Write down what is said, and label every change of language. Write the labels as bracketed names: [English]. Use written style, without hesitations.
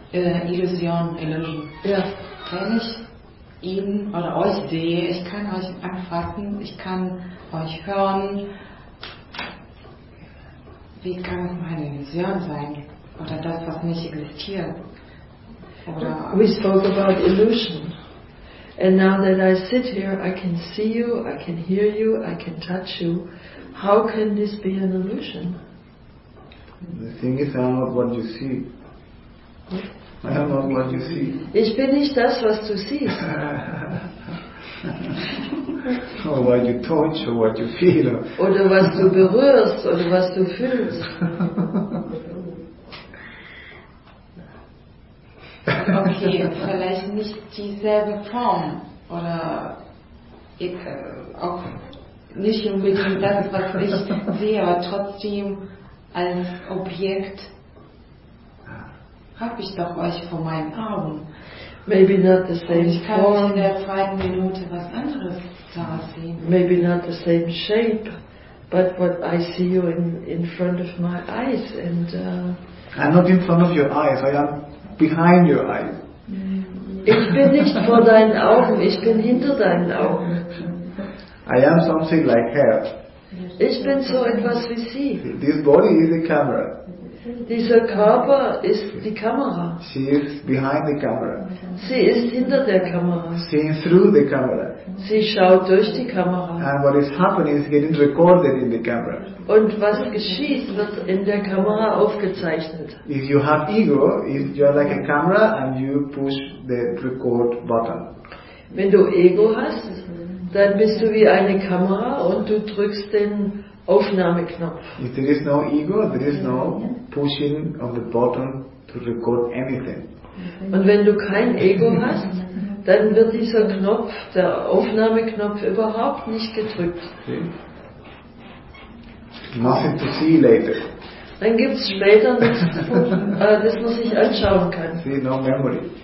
[English] Illusion. [German] Ja. Wenn ich eben oder euch sehe, ich kann euch anfassen, ich kann euch hören. Wie kann es meine Illusion sein? Oder das, was nicht existiert? Oder [English] we spoke about illusion. And now that I sit here, I can see you, I can hear you, I can touch you. How can this be an illusion? The thing is, I'm not what you see. I am not what you see. [German] Ich bin nicht das, was du siehst. [English] Or what you touch, or what you feel. [German] Oder was du berührst, oder was du fühlst. Okay, vielleicht nicht dieselbe Form. Oder ich, auch nicht unbedingt das, was ich sehe, aber trotzdem als Objekt habe ich doch euch vor meinen Augen. [English] Maybe not the same form. [German] Ich kann [English] form. [German] In der zweiten Minute was anderes da sehen. [English] Maybe not the same shape, but what I see you in front of my eyes. And I'm not in front of your eyes, I am behind your eyes. [German] Ich bin nicht vor deinen Augen, ich bin hinter deinen Augen. [English] I am something like her. [German] Ich bin so etwas wie sie. [English] This body is a camera. [German] Dieser Körper ist die Kamera. [English] She is behind the camera. [German] Sie ist hinter der Kamera. [English] Seeing through the camera. [German] Sie schaut durch die Kamera. [English] And what is happening is getting recorded in the camera. [German] Und was geschieht, wird in der Kamera aufgezeichnet. [English] If you have ego, if you are like a camera and you push the record button. [German] Wenn du Ego hast, dann bist du wie eine Kamera und du drückst den Aufnahmeknopf. [English] If there is no ego, there is no pushing of the button to record anything. [German] Und wenn du kein Ego hast, dann wird dieser Knopf, der Aufnahmeknopf, überhaupt nicht gedrückt. [English] See? Nothing to see later. [German] Dann gibt es später nichts, das man sich anschauen kann. [English] See, no memory.